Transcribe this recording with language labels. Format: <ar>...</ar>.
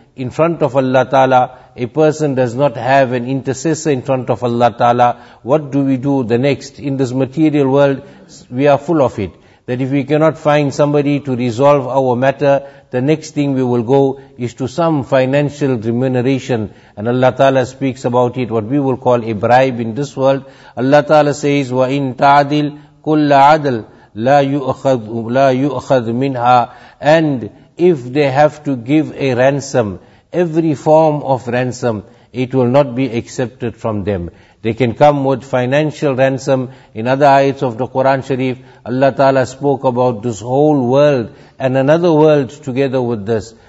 <en>in front of Allah Ta'ala, a person does not have an intercessor in front of Allah Ta'ala, what do we do the next? In this material world, we are full of it. That if we cannot find somebody to resolve our matter, the next thing we will go is to some financial remuneration. And Allah Ta'ala speaks about it, what we will call a bribe in this world. Allah Ta'ala says,</en> <ar>وَإِن تَعْدِلْ كُلَّ عَدْلْ لَا يُؤْخَذْ مِنْهَا.</ar> <en>And if they have to give a ransom, every form of ransom, it will not be accepted from them. They can come with financial ransom. In other ayats of the Quran Sharif, Allah Ta'ala spoke about this whole world and another world together with this.</en>